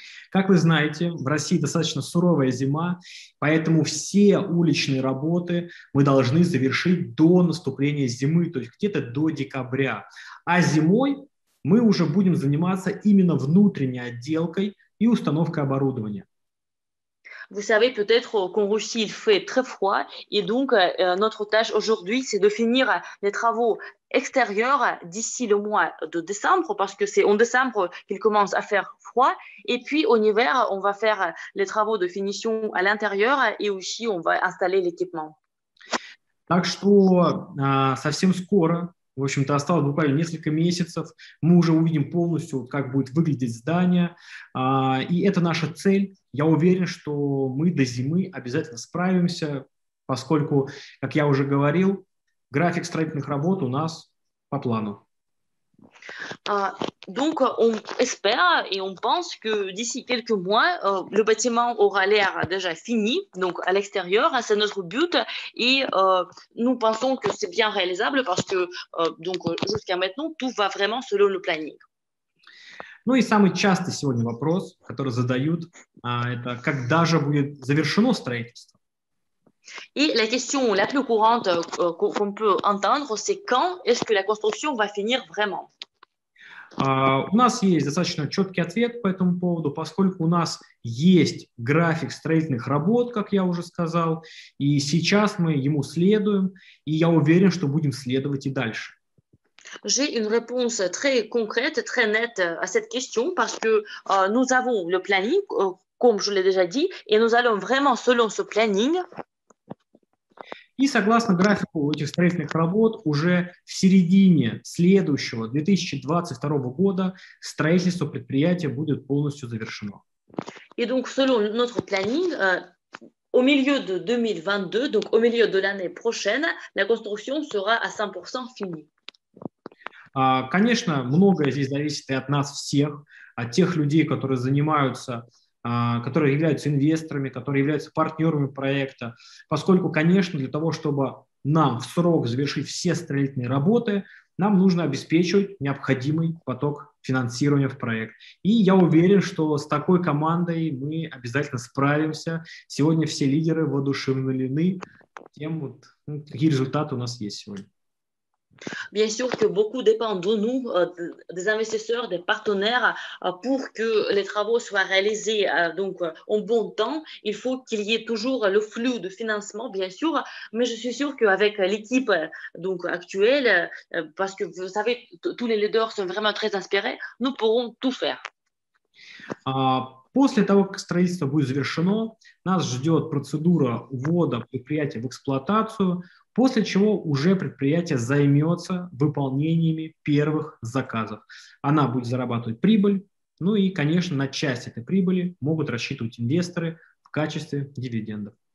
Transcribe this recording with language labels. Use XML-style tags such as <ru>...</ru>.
<ru>Как вы знаете, в России достаточно суровая зима, поэтому все уличные работы мы должны завершить до наступления зимы, то есть где-то до декабря. А зимой мы уже будем заниматься именно внутренней отделкой и установкой оборудования. Вы знаете,</ru> <fr>peut-être qu'en Russie il fait très froid, et donc notre tâche aujourd'hui c'est de finir les travaux extérieurs d'ici le mois de décembre, parce que c'est en décembre qu'il commence à faire froid, et puis en hiver on va faire les travaux de finition à l'intérieur et aussi on va installer l'équipement.</fr> <ru>Так что совсем скоро, в общем-то, осталось буквально несколько месяцев, мы уже увидим полностью, как будет выглядеть здание. И это наша цель. Я уверен, что мы до зимы обязательно справимся, поскольку, как я уже говорил, график строительных работ у нас по плану.</ru> <fr>Donc, on espère et on pense que d'ici quelques mois, le bâtiment aura l'air déjà fini, donc à l'extérieur, c'est notre but, et nous pensons que c'est bien réalisable parce que donc, jusqu'à maintenant, tout va vraiment selon le planning.</fr> <ru>Ну и самый частый сегодня вопрос, который задают, это когда же будет завершено строительство?</ru> <fr>Et la question la plus courante qu'on peut entendre, c'est quand est-ce que la construction va finir vraiment?</fr> <ru>У нас есть достаточно четкий ответ по этому поводу, поскольку у нас есть график строительных работ, как я уже сказал, и сейчас мы ему следуем, и я уверен, что будем следовать и дальше.</ru> <fr>J'ai une réponse très concrète, très nette à cette question, parce que nous avons le planning, comme je l'ai déjà dit, et nous allons vraiment selon ce planning.</fr> <ru>И согласно графику этих строительных работ, уже в середине следующего, 2022 года, строительство предприятия будет полностью завершено. И</ru> <fr>donc, selon notre planning, au milieu de 2022, donc au milieu de l'année prochaine, la construction sera à 100% finie.</fr> <ru>Конечно, многое здесь зависит и от нас всех, от тех людей, которые занимаются, которые являются инвесторами, которые являются партнерами проекта, поскольку, конечно, для того, чтобы нам в срок завершить все строительные работы, нам нужно обеспечивать необходимый поток финансирования в проект. И я уверен, что с такой командой мы обязательно справимся. Сегодня все лидеры воодушевлены тем, вот, какие результаты у нас есть сегодня.</ru> <fr>Bien sûr que beaucoup dépend de nous, des investisseurs, des partenaires, pour que les travaux soient réalisés donc en bon temps. Il faut qu'il y ait toujours le flux de financement, bien sûr. Mais je suis sûre qu'avec l'équipe donc actuelle, parce que vous savez, tous les leaders sont vraiment très inspirés, nous pourrons tout faire.</fr> <ru>После того, как строительство будет завершено, нас ждет процедура ввода предприятия в эксплуатацию, после чего уже предприятие займется выполнениями первых заказов. Она будет зарабатывать прибыль, ну и, конечно, на часть этой прибыли могут рассчитывать инвесторы в качестве дивидендов.</ru>